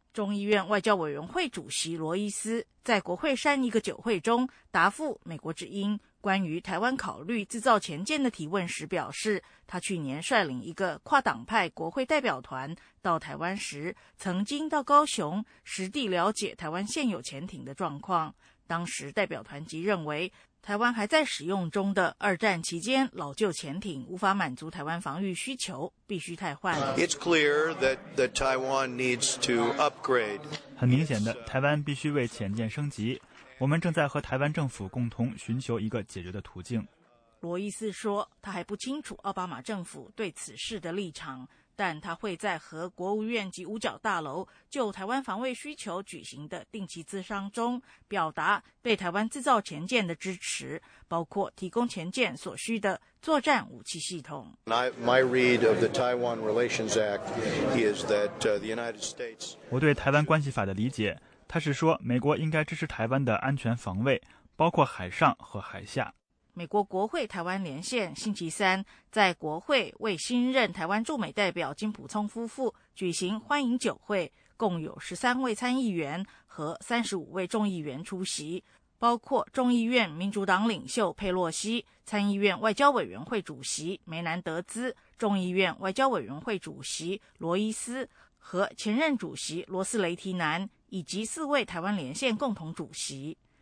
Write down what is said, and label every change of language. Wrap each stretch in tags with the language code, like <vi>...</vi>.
<zh>众议院外交委员会主席罗伊斯在国会山一个酒会中答复美国之音关于台湾考虑自造潜舰的提问时表示，他去年率领一个跨党派国会代表团到台湾时，曾经到高雄实地了解台湾现有潜艇的状况。当时代表团即认为，台湾还在使用中的二战期间老旧潜艇无法满足台湾防御需求，必须汰换。</zh> <en>It's clear that the Taiwan needs to upgrade.</en> <zh>很明显的，台湾必须为潜舰升级。我们正在和台湾政府共同寻求一个解决的途径。罗伊斯说，他还不清楚奥巴马政府对此事的立场，但他会在和国务院及五角大楼就台湾防卫需求举行的定期咨商中表达对台湾自造潜舰的支持，包括提供潜舰所需的作战武器系统。</zh> <en>My read of the Taiwan Relations Act is that the United States</en> <zh>我对台湾关系法的理解，他是说美国应该支持台湾的安全防卫，包括海上和海下。美国国会台湾连线星期三在国会为新任台湾驻美代表金普聪夫妇举行欢迎酒会，共有13位参议员和35位众议员出席，包括众议院民主党领袖佩洛西、参议院外交委员会主席梅南德兹、众议院外交委员会主席罗伊斯和前任主席罗斯雷提南，以及4位台湾连线共同主席。</zh>